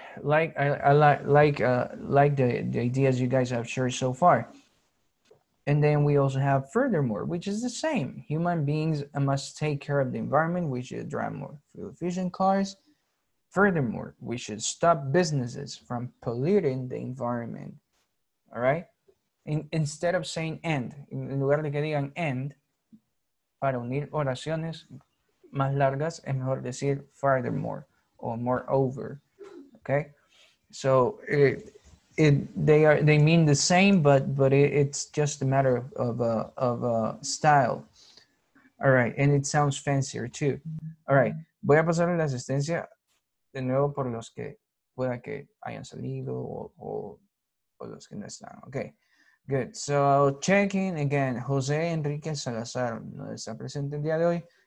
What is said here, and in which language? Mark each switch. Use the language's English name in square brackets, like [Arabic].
[English] I like the ideas you guys have shared so far. And then we also have furthermore, which is the same. Human beings must take care of the environment. We should drive more fuel efficient cars. Furthermore, we should stop businesses from polluting the environment. All right? Instead of saying end, [Spanish] en lugar de que digan end, para unir oraciones más largas, es mejor decir furthermore or moreover. [English] Okay? So they mean the same, but it's just a matter of style. All right, and it sounds fancier too. [Spanish] All right, voy a pasar la asistencia de nuevo por los que pueda que hayan salido o los que no están. [English] Okay, good. So checking again, [Spanish] José Enrique Salazar no está presente el día de hoy.